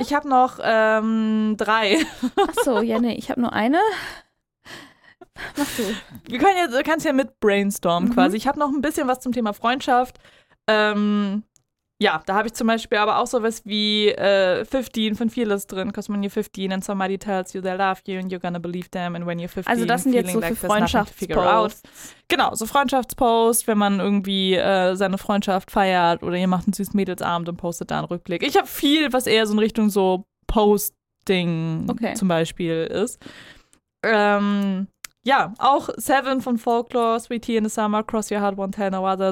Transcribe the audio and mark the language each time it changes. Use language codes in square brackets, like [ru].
[de] Ich habe noch 3. Achso, ich habe nur eine. Mach du. Du kannst ja mit brainstormen quasi. Ich habe noch ein bisschen was zum Thema Freundschaft. Ja, da habe ich zum Beispiel aber auch sowas wie 15 von Fearless drin. [en] Because when you're 15 and somebody tells you they love you and you're gonna believe them and when you're 15, [de] also das sind jetzt so [en] like [de] für Freundschaftsposts. Genau, so Freundschaftsposts, wenn man irgendwie seine Freundschaft feiert oder ihr macht einen süßen Mädelsabend und postet da einen Rückblick. Ich habe viel, was eher so in Richtung so Posting zum Beispiel ist. Ja, auch 7 von Folklore, [en] Sweet Tea in the Summer, Cross Your Heart, Won't Tell No Other.